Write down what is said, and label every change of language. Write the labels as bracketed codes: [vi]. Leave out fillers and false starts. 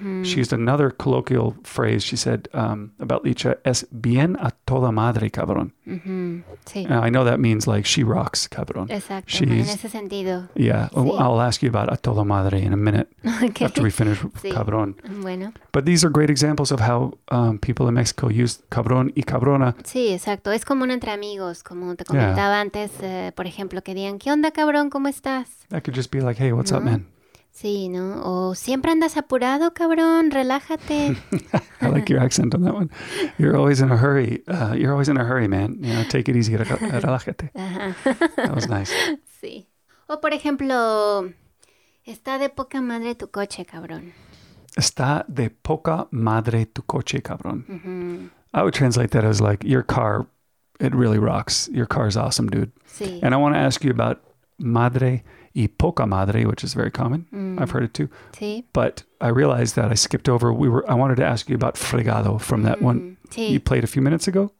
[en] She used another colloquial phrase. She said about Licha, [es] es bien a toda madre, cabrón. Sí. [en] I know that means like she rocks, cabrón. [es] Exacto. She's, en ese sentido. [en] Yeah. Sí. I'll ask you about a toda madre in a minute after we finish cabrón. [es] Bueno. [en] But these are great examples of how people in Mexico use cabrón y cabrona. [es] Sí, exacto. Es común entre amigos, como te comentaba antes, por ejemplo, que digan, ¿qué onda, cabrón? ¿Cómo estás? [en] That could just be like, hey, what's up, man? [es] Sí, ¿no? O siempre andas apurado, cabrón. Relájate. [en] I like your accent on that one. You're always in a hurry. You're always in a hurry, man. You know, take it easy. Relájate. That was nice. [es] Sí. O, por ejemplo, está de poca madre tu coche, cabrón. Está de poca madre tu coche, cabrón. Mm-hmm. [en] I would translate that as like, your car, it really rocks. Your car is awesome, dude. [es] Sí. [en] And I want to ask you about madre y poca madre, which is very common. I've heard it too. [es] Sí. [en] But I realized that I skipped over. I wanted to ask you about fregado from that one you played a few minutes ago.